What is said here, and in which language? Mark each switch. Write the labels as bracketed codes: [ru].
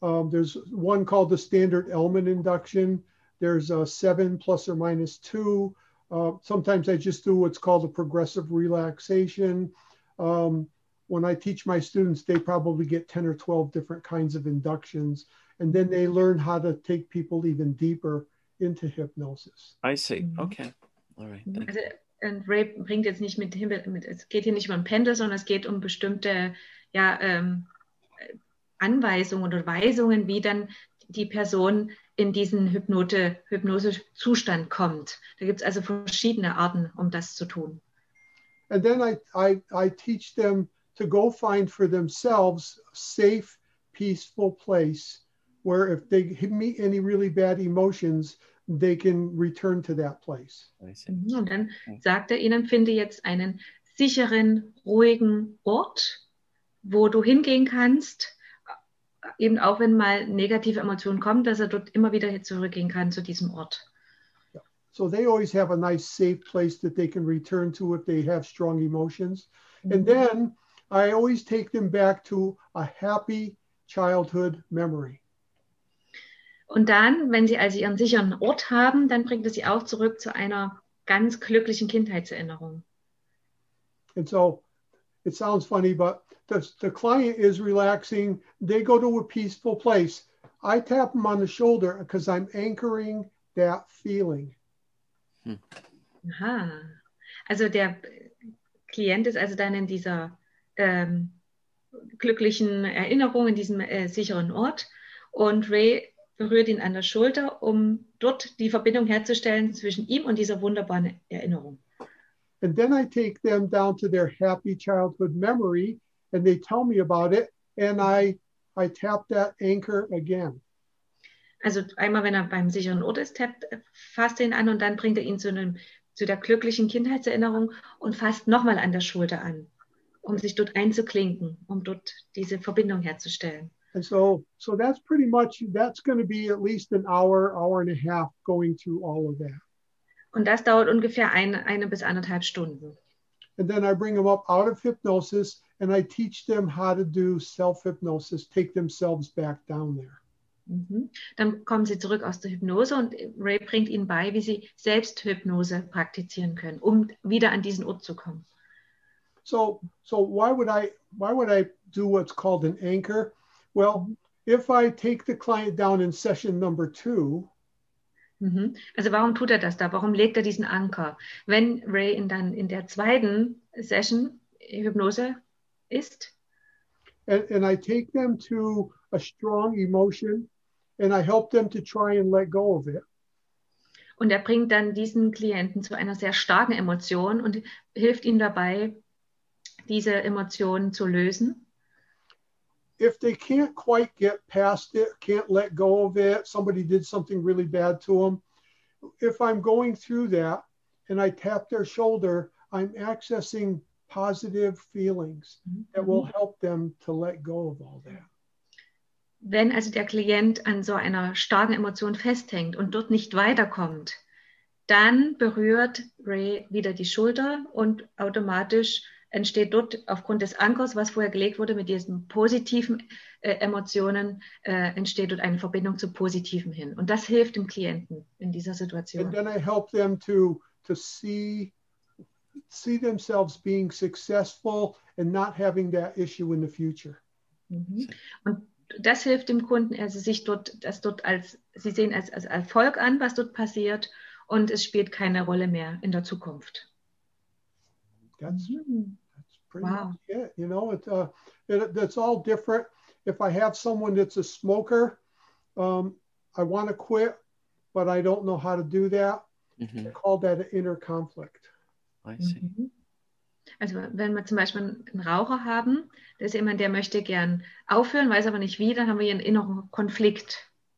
[en] There's one called the standard Elman induction. There's a 7 ±2. Sometimes I just do what's called a progressive relaxation. When I teach my students, they probably get 10 or 12 different kinds of inductions. And then they learn how to take people even deeper into hypnosis. I see. Mm-hmm. Okay. All right. Thank you. [de] Und Ray bringt jetzt nicht mit, es geht hier nicht um Pendel, sondern es geht um bestimmte, ja, Anweisungen oder Weisungen, wie dann die Person in diesen Hypnose-Zustand kommt. Da gibt es also verschiedene Arten, um das zu tun. [en] And then I teach them to go find for themselves a safe, peaceful place where if they meet any really bad emotions, they can return to that place. [de] Und dann sagt er ihnen, finde jetzt einen sicheren, ruhigen Ort, wo du hingehen kannst, eben auch wenn mal negative Emotionen kommen, dass er dort immer wieder zurückgehen kann zu diesem Ort. [en] Yeah. So they always have a nice safe place that they can return to if they have strong emotions. Mm-hmm. And then I always take them back to a happy childhood memory. [de] Und dann, wenn sie also ihren sicheren Ort haben, dann bringt es sie auch zurück zu einer ganz glücklichen Kindheitserinnerung. [en] And so it sounds funny, but the client is relaxing. They go to a peaceful place. I tap them on the shoulder because I'm anchoring that feeling. Aha. [de] Also der Klient ist also dann in dieser glücklichen Erinnerung, in diesem sicheren Ort. Und Ray berührt ihn an der Schulter, um dort die Verbindung herzustellen zwischen ihm und dieser wunderbaren Erinnerung. [en] And then I take them down to their happy childhood memory and they tell me about it and I tap that anchor again. [de] Also einmal, wenn er beim sicheren Ort ist, fasst er ihn an und dann bringt er ihn zu der glücklichen Kindheitserinnerung und fasst nochmal an der Schulter an, um sich dort einzuklinken, um dort diese Verbindung herzustellen. [en] And so that's pretty much, that's going to be at least an hour, hour and a half going through all of that. [de] Und das dauert ungefähr eine bis anderthalb Stunden. [en] And then I bring them up out of hypnosis and I teach them how to do self-hypnosis, take themselves back down there. Mm-hmm. [de] Dann kommen sie zurück aus der Hypnose und Ray bringt ihnen bei, wie sie Selbsthypnose praktizieren können, um wieder an diesen Ort zu kommen. [en] So why would I do what's called an anchor? Well, if I take the client down in session number 2. [de] Mm-hmm. Also warum tut er das da? Warum legt er diesen Anker? Wenn Ray dann in der zweiten Session Hypnose ist. [en] And I take them to a strong emotion and I help them to try and let go of it. [de] Und bringt dann diesen Klienten zu einer sehr starken Emotion und hilft ihnen dabei, diese Emotionen zu lösen. [en] If they can't quite get past it, can't let go of it, somebody did something really bad to them, if I'm going through that and I tap their shoulder, I'm accessing positive feelings that will help them to let go of all that. [de] Wenn also der Klient an so einer starken Emotion festhängt und dort nicht weiterkommt, dann berührt Ray wieder die Schulter und automatisch entsteht dort aufgrund des Ankers, was vorher gelegt wurde, mit diesen positiven Emotionen, entsteht dort eine Verbindung zu Positiven hin. Und das hilft dem Klienten in dieser Situation. [en] And then I help them to see themselves being successful and not having that issue in the future. [de] Und das hilft dem Kunden, also sich dort, das dort als, sie sehen als Erfolg an, was dort passiert, und es spielt keine Rolle mehr in der Zukunft. [en] That's pretty much it. You know, it's all different. If I have someone that's a smoker, I want to quit, but I don't know how to do that. Mm-hmm. I call that an inner conflict. I see. Mm-hmm. [de] Also wenn wir zum Beispiel einen Raucher haben, das ist jemand, der möchte gern aufhören, weiß aber nicht wie, dann haben wir hier einen inneren Konflikt.